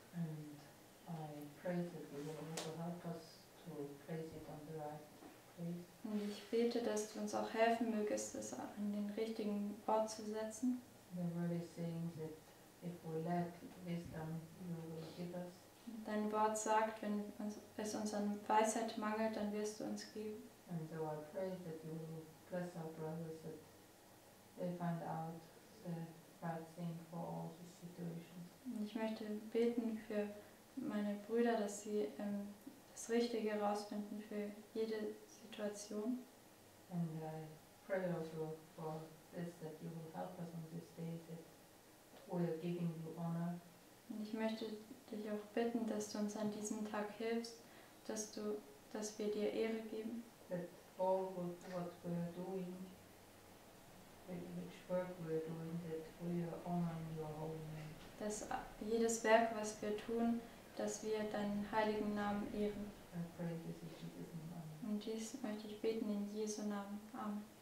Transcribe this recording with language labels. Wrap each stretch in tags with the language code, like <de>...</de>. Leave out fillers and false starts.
<en>And I pray that you will also help us to place it on the right place.</en> <de>Und ich bete, dass du uns auch helfen mögest, es an den richtigen Ort zu setzen.</de> <en>The word is saying that if we lack wisdom, you will give us.</en> <de>Dein Wort sagt, wenn es uns an Weisheit mangelt, dann wirst du uns geben.</de> <en>And so I pray that you will bless our brothers, that they find out the for all the situations.</en> <de>Ich möchte beten für meine Brüder, dass sie das Richtige herausfinden für jede Situation.</de> <en>And I pray also for this, that you will help us on this day, that we are giving you honor.</en> <de>Und ich möchte dich auch bitten, dass du uns an diesem Tag hilfst, dass wir dir Ehre geben.</de> <en>That all what we are doing, which work we are doing, that we are honoring your holy name.</en> <de>Dass jedes Werk, was wir tun, dass wir deinen heiligen Namen ehren.</de> <en>I pray this in Jesus' name.</en> <de>Und dies möchte ich beten in Jesu Namen. Amen.</de>